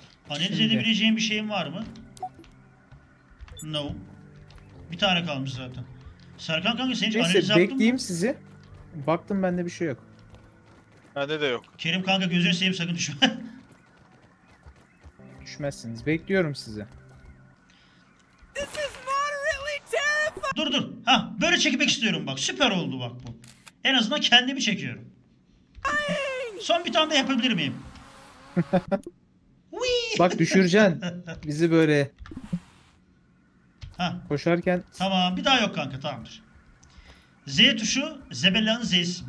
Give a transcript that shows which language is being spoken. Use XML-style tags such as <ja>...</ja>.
<tr>Analiz edebileceğim bir şeyim var mı?</tr> <en>No.</en> <tr>Bir tane kalmış zaten. Serkan kanka sen hiç analiz yaptın mı? Neyse, bekleyeyim sizi. Baktım, bende bir şey yok. Bende de yok. Kerim kanka gözünü seveyim, sakın düşme. Düşmezsiniz. Bekliyorum sizi.</tr> <en>This is moderately terrifying.</en> <tr>Dur. Ha, böyle çekmek istiyorum bak. Süper oldu bak bu. En azından kendimi çekiyorum. Son bir tane de yapabilir miyim? Bak düşüreceksin bizi böyle. Ha. Koşarken. Tamam, bir daha yok kanka, tamamdır. Z tuşu Zebella'nın Z'si.</tr>